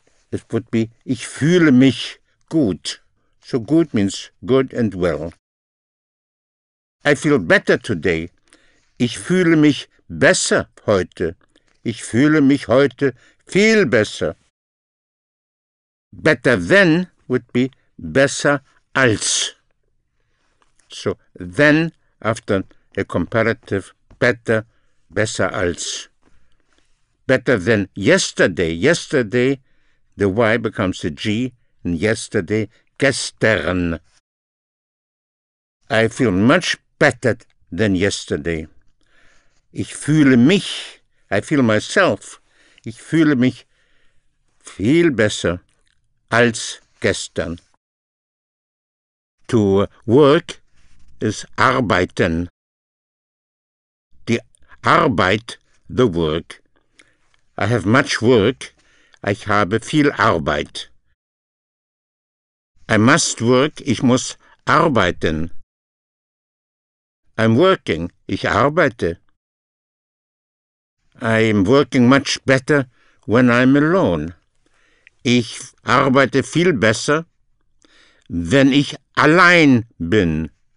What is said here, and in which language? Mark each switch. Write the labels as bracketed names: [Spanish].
[English] It would be, [German] ich fühle mich gut. [English] So good means good and well. I feel better today. [German] Ich fühle mich besser heute. Ich fühle mich heute viel besser. [English] Better than would be [German] besser als. [English] So then after a comparative, better, [German] besser als. [English] Better than yesterday. Yesterday, the Y becomes a G, and yesterday, [German] gestern. [English] I feel much better than yesterday. [German] Ich fühle mich, [English] I feel myself, [German] ich fühle mich viel besser als gestern. [English] To work is [German] arbeiten. Die Arbeit, [English] the work. I have much work, [German] ich habe viel Arbeit. [English] I must work, [German] ich muss arbeiten. [English] I'm working, [German] ich arbeite. [English] I'm working much better when I'm alone. [German] Ich arbeite viel besser, wenn ich allein bin.